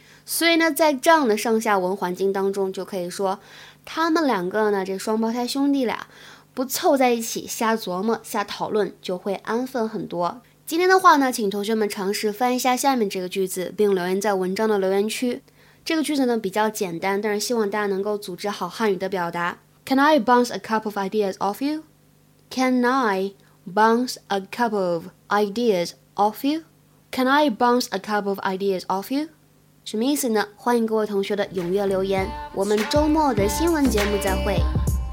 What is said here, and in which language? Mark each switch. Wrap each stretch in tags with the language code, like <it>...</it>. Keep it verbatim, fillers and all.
<zh>所以呢在这样的上下文环境当中，就可以说他们两个呢这双胞胎兄弟俩不凑在一起瞎琢磨瞎讨论就会安分很多。今天的话呢，请同学们尝试翻一下下面这个句子，并留言在文章的留言区。这个句子呢比较简单，但是希望大家能够组织好汉语的表达。</zh> <en>Can I bounce a couple of ideas off you? Can I bounce a couple of ideas off you? Can I bounce a couple of ideas off you?</en> <zh>什么意思呢？欢迎各位同学的踊跃留言。我们周末的新闻节目再会。</zh>